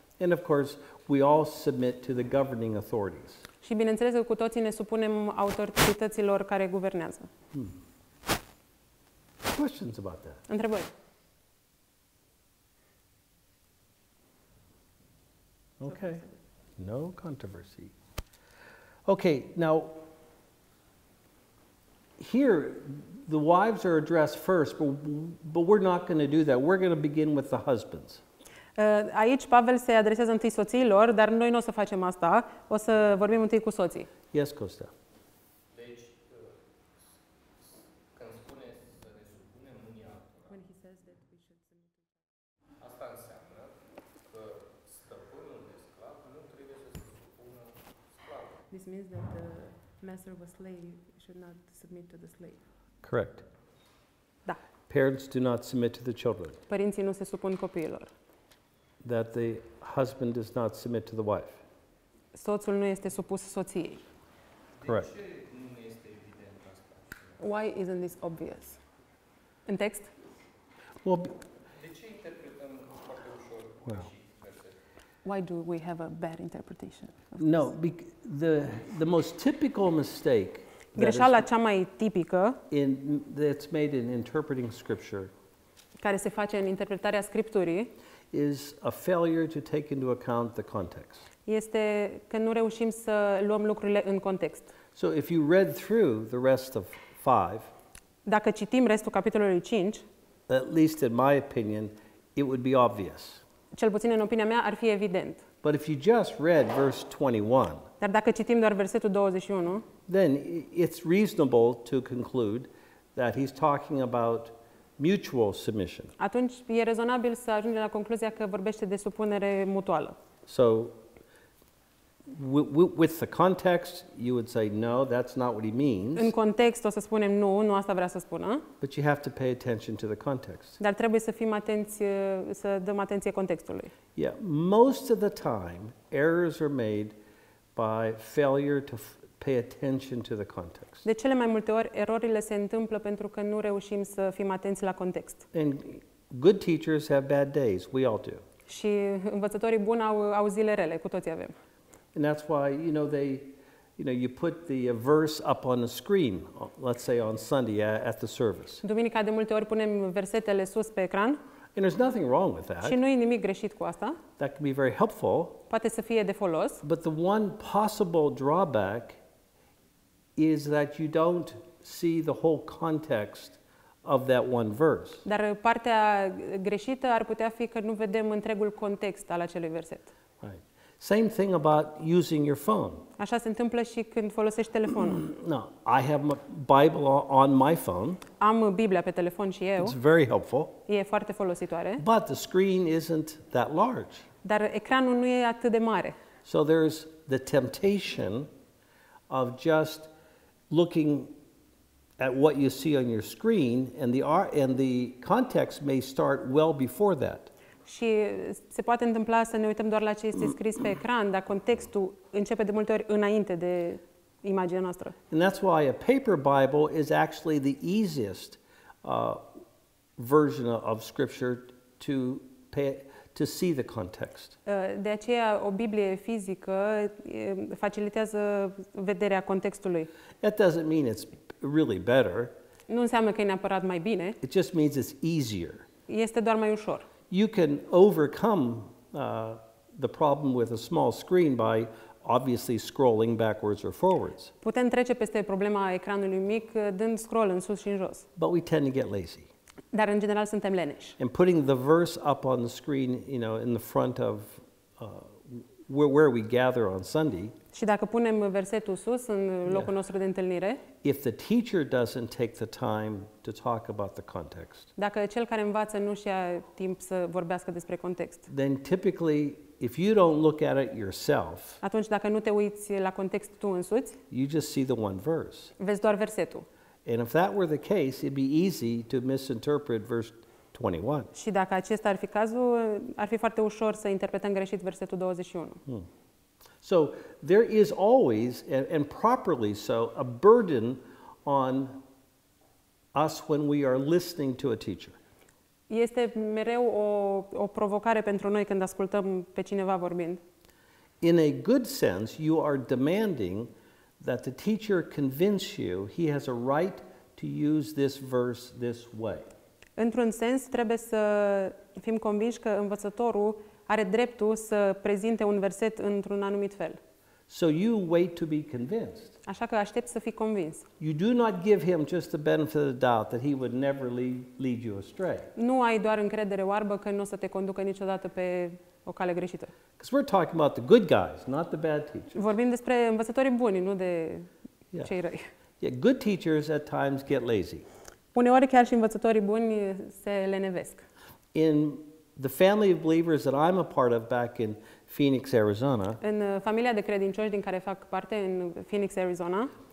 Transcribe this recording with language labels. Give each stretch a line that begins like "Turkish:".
English: And of course, we all submit to the governing authorities.
Romanian: Și bineînțeles că cu toții ne supunem autorităților care guvernează.
English: Questions about that?
Romanian: Întrebări.
English: Okay. No controversy. Okay, now here the wives are addressed first, but we're not going to do that. We're going to begin with the husbands.
Romanian: Aici Pavel se adresează întâi soțiilor, dar noi nu o să facem asta. O să vorbim întâi cu soții.
English: Yes, Costa.
Romanian: Deci, când spune să ne supunem unii altora,
English: when he says that we should submit to each other,
Romanian: asta înseamnă că stăpânul de sclav nu trebuie să se supună sclavului.
English: This means that the master of a slave should not submit to the slave. Correct.
Romanian: Da.
English: Parents do not submit to the children.
Romanian: Părinții nu se supun copiilor.
English: That the husband does not submit to the wife.
Romanian: Soțul nu este supus soției.
English: Correct.
Romanian: De ce nu este evident asta?
English: Why isn't this obvious?
Romanian: În text?
English: Well,
Romanian: de ce interpretăm foarte ușor?
English: Well, why do we have a bad interpretation? No, the most typical mistake
Romanian: greșeala cea mai tipică
English: that's made in interpreting scripture,
Romanian: care se face în interpretarea scripturii,
English: is a failure to take into account the context.
Romanian: Este că nu reușim să luăm lucrurile în context.
English: So if you read through the rest of 5,
Romanian: dacă citim restul capitolului 5,
English: at least in my opinion, it would be obvious.
Romanian: Cel puțin în opinia mea ar fi evident.
English: But if you just read verse 21,
Romanian: dar dacă citim doar versetul 21,
English: then it's reasonable to conclude that he's talking about mutual submission.
Romanian: Atunci e rezonabil să ajungem la concluzia că vorbește de supunere mutuală.
English: So with the context, you would say no, that's not what he means.
Romanian: În context o să spunem nu, nu asta vrea să spună.
English: But you have to pay attention to the context.
Romanian: Dar trebuie să fim atenți, să dăm atenție contextului.
English: Yeah, most of the time errors are made by failure to pay attention to the context.
Romanian: De cele mai multe ori erorile se întâmplă pentru că nu reușim să fim atenți la context.
English: And good teachers have bad days, we all do.
Romanian: Și învățătorii buni au zile rele, cu toții avem.
English: And that's why, you know, they, you know, you put the verse up on the screen, let's say on Sunday at the service.
Romanian: Duminica de multe ori punem versetele sus pe ecran.
English: And there's nothing wrong with that.
Romanian: Și nu e nimic greșit cu asta.
English: That can be very helpful.
Romanian: Poate să fie de folos.
English: But the one possible drawback is that you don't see the whole context of that one verse.
Romanian: Dar partea greșită ar putea fi că nu vedem întregul context al acelui verset.
English: Same thing about using your phone.
Romanian: Așa se întâmplă și când folosești telefonul.
English: No, I have my Bible on my phone.
Romanian: Am Biblia pe telefon și eu.
English: It's very helpful.
Romanian: E foarte folositoare.
English: But the screen isn't that large.
Romanian: Dar ecranul nu e atât de mare.
English: So there's the temptation of just looking at what you see on your screen, and the context may start well before that.
Romanian: Și se poate întâmpla să ne uităm doar la ce este scris pe ecran, dar contextul începe de multe ori înainte de imaginea noastră.
English: And that's why a paper Bible is actually the easiest version of scripture to see the context.
Romanian: De aceea o Biblie fizică facilitează vederea contextului.
English: That doesn't mean it's really better.
Romanian: Nu înseamnă că e neapărat mai bine.
English: It just means it's easier.
Romanian: Este doar mai ușor.
English: You can overcome the problem with a small screen by obviously scrolling backwards or forwards.
Romanian: Putem trece peste problema ecranului mic dând scroll în sus și în jos.
English: But we tend to get lazy.
Romanian: Dar în general suntem leneși.
English: And putting the verse up on the screen, you know, in the front of where we gather on Sunday.
Romanian: Și dacă punem versetul sus în locul nostru de întâlnire?
English: If the teacher doesn't take the time to talk about the context.
Romanian: Dacă cel care învață nu și-a timp să vorbească despre context.
English: Then typically if you don't look at it yourself.
Romanian: Atunci dacă nu te uiți la context tu însuți?
English: You just see the one verse.
Romanian: Vezi doar versetul.
English: And if that were the case, it'd be easy to misinterpret verse 21.
Romanian: Și dacă acesta ar fi cazul, ar fi foarte ușor să interpretăm greșit versetul 21.
English: So there is always, and properly so, a burden on us when we are listening to a teacher.
Romanian: Este mereu o provocare pentru noi când ascultăm pe cineva vorbind.
English: In a good sense, you are demanding that the teacher convince you he has a right to use this verse this way.
Romanian: Într-un sens, trebuie să fim convinși că învățătorul are dreptul să prezinte un verset într-un anumit fel.
English: So you wait to be convinced.
Romanian: Așa că aștept să fii convins.
English: You do not give him just the benefit of the doubt that he would never lead you astray.
Romanian: Nu ai doar încredere oarbă că nu o să te conducă niciodată pe o cale greșită.
English: Because we're talking about the good guys, not the bad teachers.
Romanian: Vorbim despre învățătorii buni, nu de cei răi.
English: Yeah, good teachers at times get lazy.
Romanian: Uneori chiar și învățătorii buni se lenevesc.
English: In the family of believers that I'm a part of back in Phoenix, Arizona.
Romanian: În familia de credincioși din care fac parte în Phoenix, Arizona.